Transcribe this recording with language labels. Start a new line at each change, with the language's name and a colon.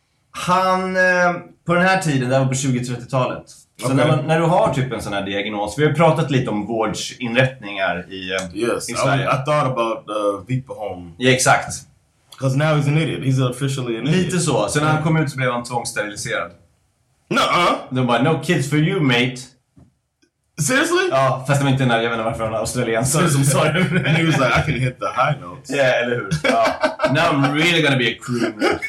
Swedish: Han på den här tiden, det var på 20-30-talet. Så okay. när du har typ en sån här diagnos. Vi har pratat lite om vårdsinrättningar i Sverige.
English: I thought about the Vipa home.
Swedish: Ja, exakt.
English: Because now he's an idiot. He's officially an idiot.
Swedish: Lite så. Så när han kom ut så blev han tvångssteriliserad. Nuh-uh. De bara,
English: no kids for you, mate. Seriously?
Swedish: Ja, fast de inte när jag vet inte varför han är australiensare.
English: I'm sorry. And he was like, I can hit the high notes.
Swedish: Yeah, eller hur? Ja.
English: Now I'm really gonna be a croon.